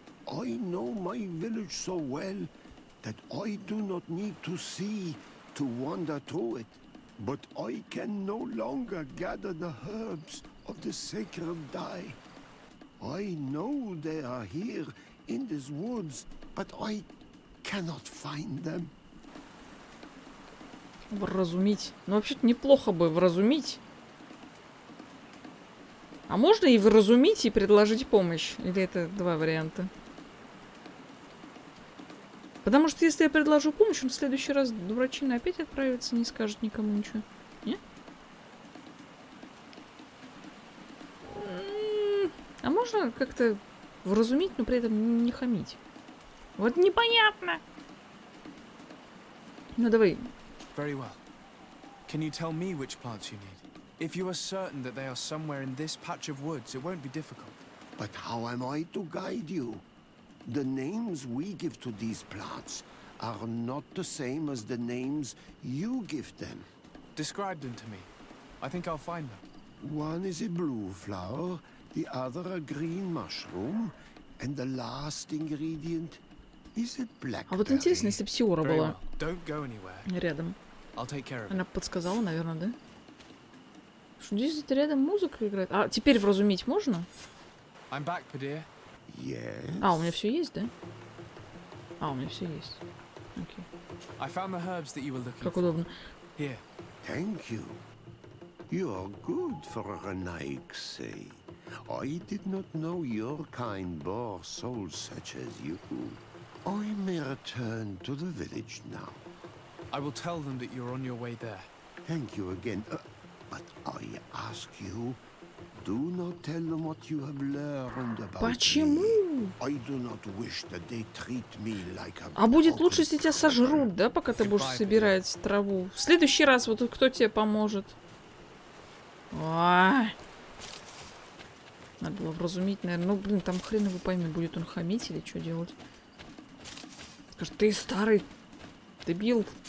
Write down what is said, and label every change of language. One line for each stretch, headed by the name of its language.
English: I know my village so well that I do not need to see to wander through it. But I can no longer gather the herbs of the sacred dye. I know they are here in these woods, but I cannot find them.
Russian: Вразумить. Ну, вообще-то, неплохо бы вразумить. А можно и вразумить, и предложить помощь? Или это два варианта? Потому что если я предложу помощь, он в следующий раз дурачина опять отправится, не скажет никому ничего. Не? А можно как-то вразумить, но при этом не хамить? Вот непонятно! Ну, давай.
English: Very well. Can you tell me which plants you need? If you are certain that they are somewhere in this patch of woods, it won't be difficult. But how am I to guide you? The names we give to these plants are not the same as the names you give them. Describe them to me. I think I'll find them. One is a blue flower, the other a green mushroom, and the last ingredient is a blackberry.
Russian: А вот интересно, если псиора была.
English: Don't go anywhere.
Russian: Рядом.
English: I'll take care of it.
Russian: Она подсказала, наверное, да? Что здесь где-то рядом музыка играет? А теперь вразумить можно?
English: I'm back, Padir. Yes.
Russian: А у меня все есть, да? А у меня все есть. Окей.
English: I found the herbs that you were looking for.
Russian: Как удобно.
English: Here. Thank you. You are good for a Nixey. I did not know your kind bore souls such as you. I may return to the village now. I will tell them that you're on your way there. Thank you again. But I ask you, do not tell them what you have learned about
Russian: Почему?
English: Me. I do not wish that they treat me like a...
Russian: А будет лучше, если тебя сожрут, да, пока ты будешь собирать траву. В следующий раз вот кто тебе поможет? Ой. Надо было вразумить, наверное. Ну, блин, там хрен его пойми, будет он хамить или что делать. Скажет, ты старый дебил.